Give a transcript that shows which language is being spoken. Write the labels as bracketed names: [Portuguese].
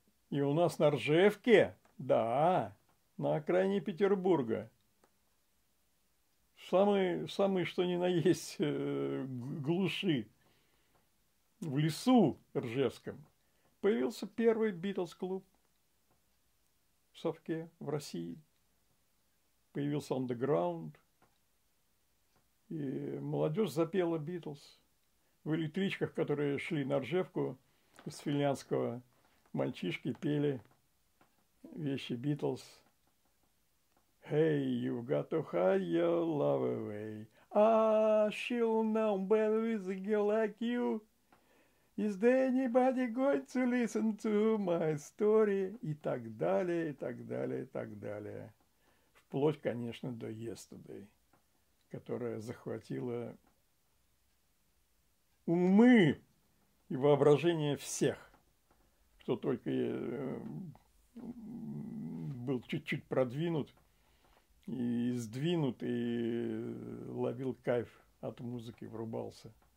[Russian] И у нас на Ржевке, да, на окраине Петербурга, самый что ни на есть глуши, в лесу Ржевском, появился первый Битлз-клуб в совке в России. Появился андеграунд. И молодежь запела Битлз. В электричках, которые шли на Ржевку из Финляндского, мальчишки пели вещи Битлз. [English] Hey, you've got to hide your love away. Ah, she'll know better with a girl like you. Is there anybody going to listen to my story? [Russian] И так далее, и так далее, и так далее. Вплоть, конечно, до Yesterday, которая захватила умы и воображение всех, кто только был чуть-чуть продвинут и сдвинут, и ловил кайф от музыки, врубался.